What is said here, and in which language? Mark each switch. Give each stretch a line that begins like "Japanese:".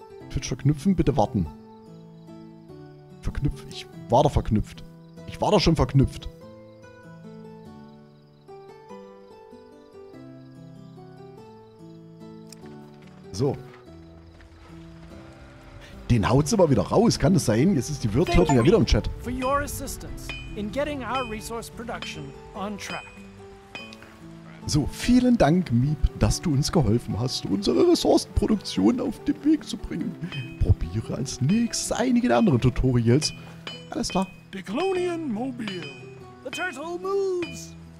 German: Twitch verknüpfen, bitte warten. Verknüpft, ich war da verknüpft. Ich war da schon verknüpft. So. Den haut's aber wieder raus, kann das sein? Jetzt ist die Wirtin ja wieder im Chat.
English: For your assistance in getting our resource production on track.
German: So, vielen Dank, Meep, dass du uns geholfen hast, unsere Ressourcenproduktion auf den Weg zu bringen. Probiere als nächstes einige der anderen Tutorials. Alles klar. Declonian Mobile.
English: The Turtle moves.